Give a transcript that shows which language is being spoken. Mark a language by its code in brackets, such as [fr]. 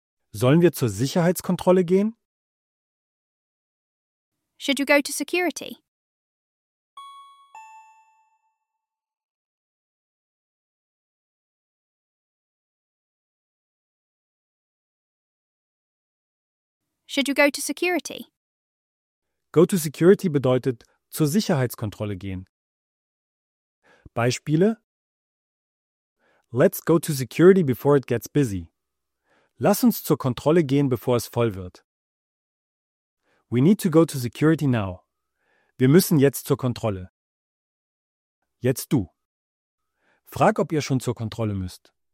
[de] Sollen wir zur Sicherheitskontrolle gehen? [en] Should you go to security? Should you go to security? Go to security [de] bedeutet zur Sicherheitskontrolle gehen. [en] Beispiele: Let's go to security before it gets busy. [de] Lass uns zur Kontrolle gehen, bevor es voll wird. [en] We need to go to security now. [de] Wir müssen jetzt zur Kontrolle. Jetzt du. Frag, ob ihr schon zur Kontrolle müsst.